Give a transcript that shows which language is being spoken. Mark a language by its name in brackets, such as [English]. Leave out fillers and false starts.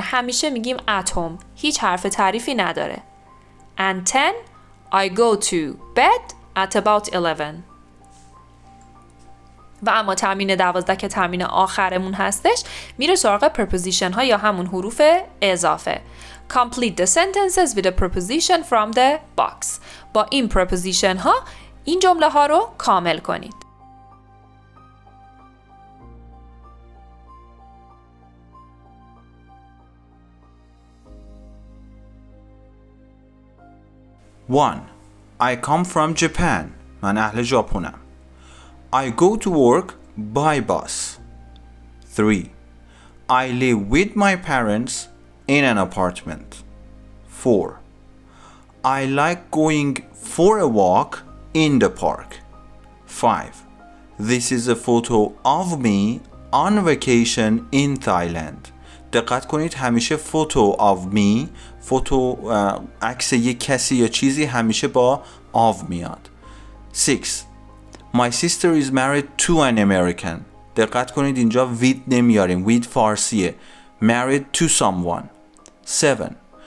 [Persian] همیشه میگیم at home. هیچ حرف تعریفی نداره. [English] And 10. I go to bed at about 11. [Persian] و اما تمرین 12 که تمرین آخرمون هستش، میره سراغ preposition ها یا همون حروف اضافه. [English] Complete the sentences with a preposition from the box. [Persian] با این preposition ها این جمله ها رو کامل کنید. [English] One. I come from Japan. [Persian] من اهل ژاپنم. [English] I go to work by bus. 3. I live with my parents in an apartment. 4. I like going for a walk in the park. 5. This is a photo of me on vacation in Thailand. [Persian] دقت کنید همیشه [English] photo of me, [Persian] photo عکس یک کسی یا چیزی همیشه با of میاد. [English] 6. My sister is married to an American. [Persian] دقت کنید اینجا with نمیاریم. [English] With [Persian] فارسیه. [English] Married to someone. 7.